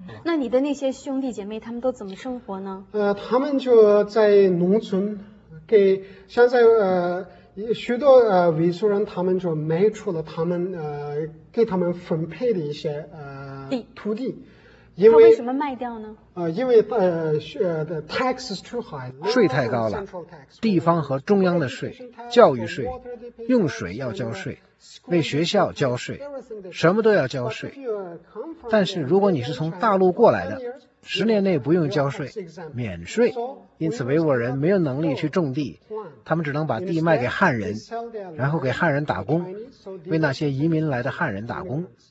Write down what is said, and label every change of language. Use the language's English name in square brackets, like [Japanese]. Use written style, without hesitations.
[Chinese] 那你的那些兄弟姐妹他们都怎么生活呢？他们就在农村，给现在许多维族人他们就卖出了他们给他们分配的一些土地。因为他为什么卖掉呢？因为 [English] the tax is too high， [Chinese] 税太高了，地方和中央的税，教育税，用水要交税，为学校交税，什么都要交税。但是如果你是从大陆过来的，10年内不用交税，免税。因此维吾尔人没有能力去种地，他们只能把地卖给汉人，然后给汉人打工，为那些移民来的汉人打工。